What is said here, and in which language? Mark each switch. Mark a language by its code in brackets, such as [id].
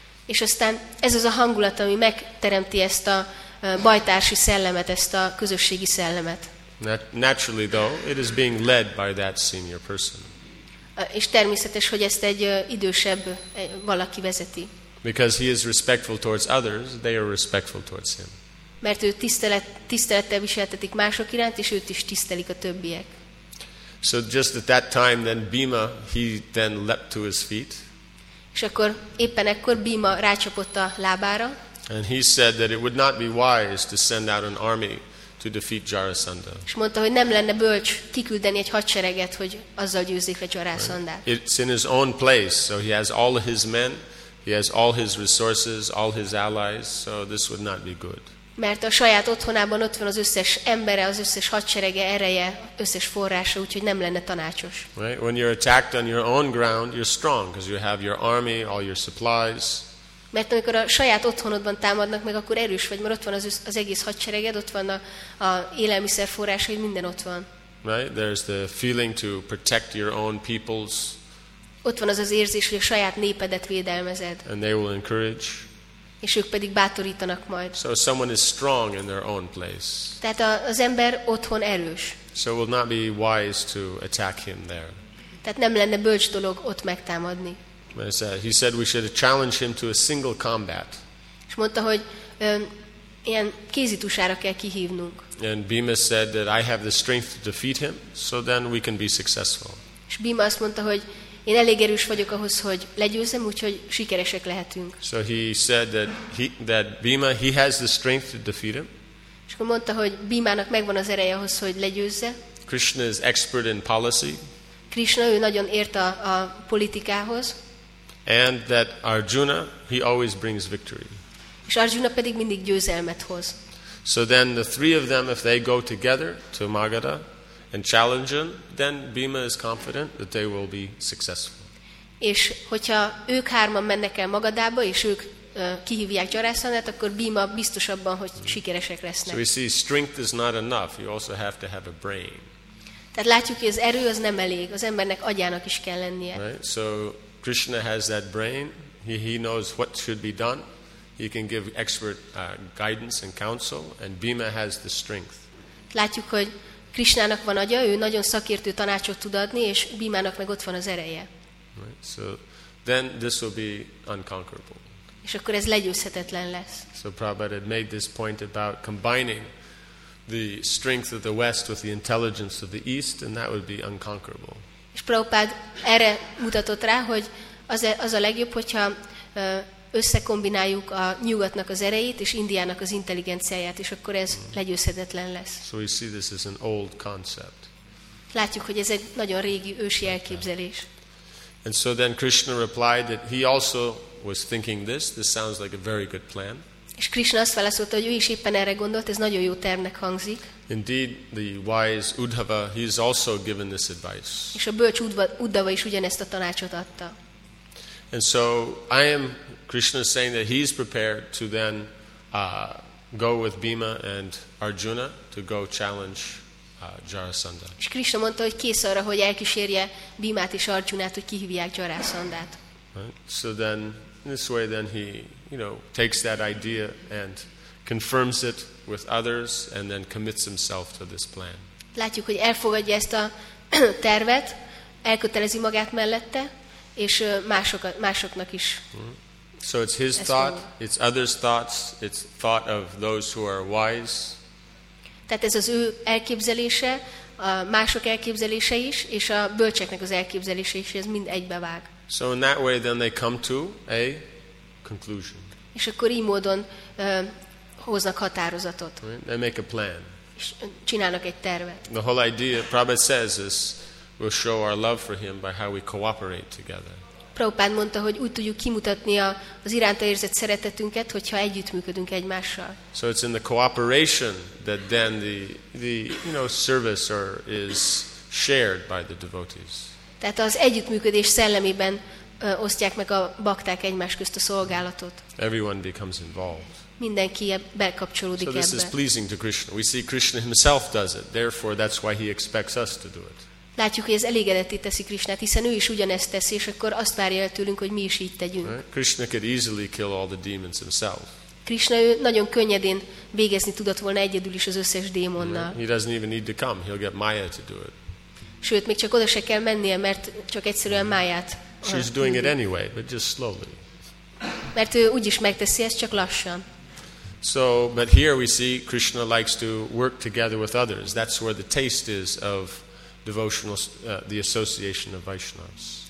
[hu] És aztán ez az a hangulat, ami megteremti ezt a bajtársi szellemet, ezt a közösségi szellemet. [en] Naturally though, it is being led by that senior person. [hu] És természetes, hogy ezt egy idősebb valaki vezeti. [en] Because he is respectful towards others, they are respectful towards him. [hu] Mert ő tisztelettel viseltetik mások iránt, és őt is tisztelik a többiek. [en] So just at that time then Bhima, he then leapt to his feet. [hu] És akkor éppen ekkor Bhima rácsapott a lábára. [en] And he said that it would not be wise to send out an army to defeat Jarasandha. [hu] És mondta, hogy nem lenne bölcs kiküldeni egy hadsereget, hogy azzal győzzék le Jarasandhát. [en] Right. It's in his own place, so he has all his men, he has all his resources, all his allies, so this would not be good. [hu] Mert a saját otthonában ott van az összes embere, az összes hadserege, ereje, összes forrása, úgyhogy nem lenne tanácsos. [en] Right? When you're attacked on your own ground, you're strong, because you have your army, all your supplies. [hu] Mert amikor a saját otthonodban támadnak meg, akkor erős vagy, mert ott van az egész hadsereged, ott van a élelmiszer forrása, hogy minden ott van. [en] Right? There's the feeling to protect your own peoples. [hu] Ott van az érzés, hogy a saját népedet védelmezed. [en] And they will encourage. [hu] És ők pedig bátorítanak majd. [en] So someone is strong in their own place. [hu] Tehát az ember otthon erős. [en] So it will not be wise to attack him there. [hu] Tehát nem lenne bölcs dolog ott megtámadni. [en] He said we should challenge him to a single combat. [hu] És mondta, hogy ilyen kézitusára kell kihívnunk. [en] And Bhima said that I have the strength to defeat him, so then we can be successful. [hu] És Bhima azt mondta, hogy én elég erős vagyok ahhoz, hogy legyőzzem, úgyhogy sikeresek lehetünk. [en] So he said that Bhima, he has the strength to defeat him. [hu] És akkor mondta, hogy Bhimának megvan az ereje ahhoz, hogy legyőzze. [en] Krishna is expert in policy. [hu] Krishna, ő nagyon ért a politikához. [en] And that Arjuna, he always brings victory. [hu] És Arjuna pedig mindig győzelmet hoz. [en] So then the three of them, if they go together to Magadha and challenge him, then Bhima is confident that they will be successful. [hu] És hogyha ők hárman mennek el Magadába, és ők kihívják Jarasandhát, akkor Bhima biztos abban, hogy sikeresek lesznek. [en] So we see strength is not enough. You also have to have a brain. [hu] Tehát látjuk, hogy az erő az nem elég, az embernek agyának is kell lennie. [en] Right? So Krishna has that brain. He knows what should be done. He can give expert guidance and counsel, and Bhima has the strength. [hu] Látjuk, hogy Krishnának van agya, ő nagyon szakértő tanácsot tud adni, és Bhimának meg ott van az ereje. [en] Right? So then this will be unconquerable. [hu] És akkor ez legyőzhetetlen lesz. [en] So Prabhupada had made this point about combining the strength of the West with the intelligence of the East, and that would be unconquerable. [hu] És Prabhupada erre mutatott rá, hogy az a legjobb, hogyha összekombináljuk a nyugatnak az erejét és Indiának az intelligenciáját, és akkor ez legyőzhetetlen lesz. [en] So we see this as an old concept. [hu] Látjuk, hogy ez egy nagyon régi, ősi elképzelés. [en] And so then Krishna replied that he also was thinking this. This sounds like a very good plan. [hu] És Krishna azt válaszolta, hogy ő is éppen erre gondolt, ez nagyon jó tervnek hangzik. [en] Indeed, the wise Uddhava, he is also given this advice. [hu] És a bölcs Uddhava is ugyanezt a tanácsot adta. [en] And so I am, Krishna is saying that he is prepared to then go with Bhima and Arjuna to go challenge Jarasandha. [hu] És Krishna mondta, hogy kész arra, hogy elkísérje Bhimát és Arjunát, hogy kihívják Jarasandhát. [en] Right? So then, in this way then he, you know, takes that idea and confirms it with others and then commits himself to this plan. [hu] Látjuk, hogy elfogadja ezt a tervet, elkötelezi magát mellette, és másoknak is. [en] So it's his thought, it's others' thoughts, it's thought of those who are wise. [hu] Tehát ez az ő elképzelése, a mások elképzelése is, és a bölcseknek az elképzelése is, ez mind egybevág. [en] So in that way then they come to a conclusion. [hu] És akkor így módon hoznak határozatot. [en] Right? They make a plan. [hu] És csinálnak egy tervet. [en] The whole idea, Prabhupada says, is we'll show our love for him by how we cooperate together. [hu] Prabhupád mondta, hogy úgy tudjuk kimutatni az iránta érzett szeretetünket, hogyha együttműködünk egymással. [en] So it's in the cooperation that then the you know service or is shared by the devotees. [hu] Tehát az együttműködés szellemében osztják meg a bakták egymás közt a szolgálatot. [en] Everyone becomes involved. [hu] Mindenki bekapcsolódik ebbe. [en] So this is pleasing to Krishna. We see Krishna himself does it. Therefore that's why he expects us to do it. [hu] Látjuk, hogy ez elégedetté teszi Krishnát, hiszen ő is ugyanezt teszi, és akkor azt várja el tőlünk, hogy mi is így tegyünk. [en] Right? Krishna could easily kill all the demons himself. [hu] Krishna ő nagyon könnyedén végezni tudott volna egyedül is az összes démonnal. [en] Right? He doesn't even need to come. He'll get Maya to do it. [hu] Sőt, még csak oda se kell mennie, mert csak egyszerűen Mayát. [en] She's doing it anyway, but just slowly. [hu] Mert ő úgyis megteszi ezt, csak lassan. [en] So, but here we see Krishna likes to work together with others. That's where the taste is of devotional the association of Vaishnavas.